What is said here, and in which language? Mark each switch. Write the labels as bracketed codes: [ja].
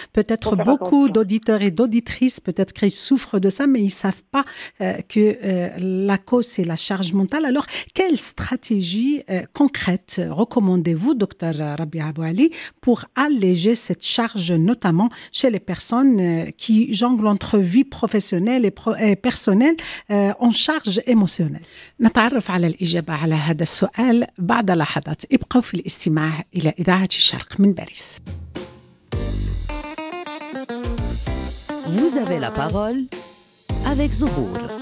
[fr] Peut-être beaucoup attention. D'auditeurs et d'auditrices, peut-être qu'ils souffrent de ça, mais ils ne savent pas que la cause, c'est la charge mentale. Alors, quelle stratégie concrète recommandez-vous, docteur Rabia Abou Ali, pour alléger cette charge, notamment chez les personnes qui jonglent entre vie professionnelle et personnelle en charge émotionnelle? [ar] نتعرف على الإجابة على هذا السؤال بعد لحظات. ابقوا في الاستماع إلى إذاعة الشرق من باريس. [fr] Vous avez la parole avec Zuhour.